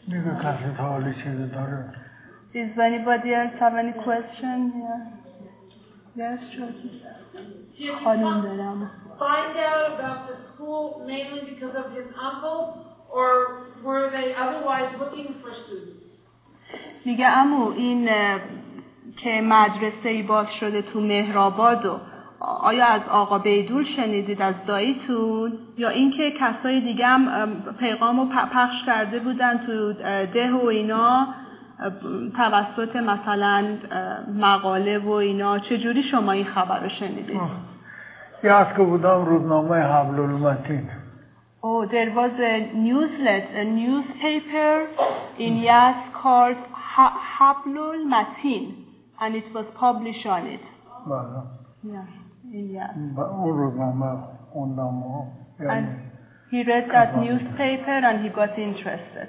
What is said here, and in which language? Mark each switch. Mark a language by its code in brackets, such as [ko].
[en] Does anybody else have any question? Yeah. Yes, sure. Find out about the school mainly because of his uncle, or were they otherwise looking for students? [fa] میگه عمو این که مدرسه ای باز شده تو مهرآباد، آیا از آقا بیدول شنیدید، از داییتون، یا اینکه کسای دیگه هم پیغامو پخش کرده بودن تو ده و اینا توسط مثلا مقاله و اینا، چه جوری شما این خبرو شنیدید؟ یاد که بودم روزنامه حبل المتین. [en] Oh, there was a newsletter, a newspaper in Yazd called حبل المتین, and it was published on it. [fa] بله. [en] Yeah, in Yazd. [fa] اون روزنامه خوندم. [en] And he read that newspaper and he got interested.